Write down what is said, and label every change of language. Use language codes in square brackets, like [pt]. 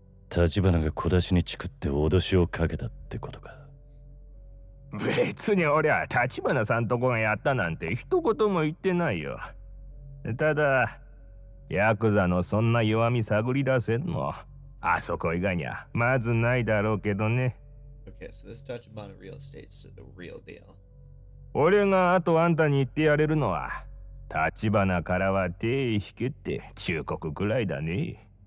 [ja] 立花が小出しにチクって脅しをかけたってことか。別に俺は立花さんとこがやったなんて一言も言ってないよ。ただヤクザのそんな弱み探り出せんのあそこ以外にはまずないだろうけどね。 [en] Okay, so this Tachibana real estate is the real deal. [ja] 俺があとあんたに言ってやれるのは、立花からは手引けって忠告くらいだね。